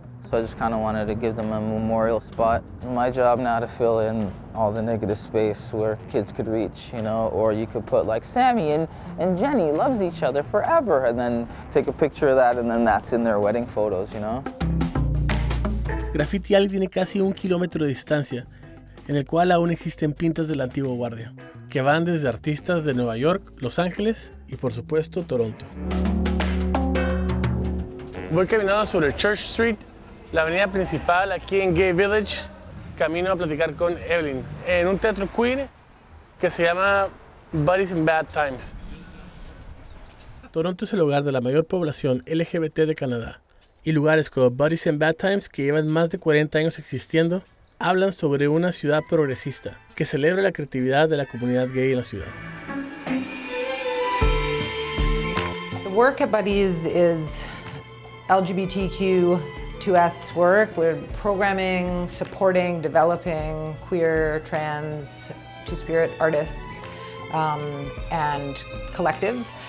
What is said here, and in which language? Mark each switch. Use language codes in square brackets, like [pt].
[en] So I just kind of wanted to give them a memorial spot. My job now to fill in all the negative space where kids could reach, you know, or you could put like Sammy and Jenny loves each other forever and then take a picture of that and then that's in their wedding photos, you know. [es] Graffiti Alley tiene casi un kilómetro de distancia, en el cual aún existen pintas de la antigua guardia, que van desde artistas de Nueva York, Los Ángeles y por supuesto Toronto. Voy caminando sobre Church Street, la avenida principal aquí en Gay Village, camino a platicar con Evelyn en un teatro queer que se llama Buddies in Bad Times. Toronto es el hogar de la mayor población LGBT de Canadá y lugares como Buddies in Bad Times, que llevan más de 40 años existiendo, hablan sobre una ciudad progresista que celebra la creatividad de la comunidad gay en la ciudad. [en] The work at Buddies is LGBTQ 2S work. We're programming, supporting, developing queer, trans, two-spirit artists and collectives.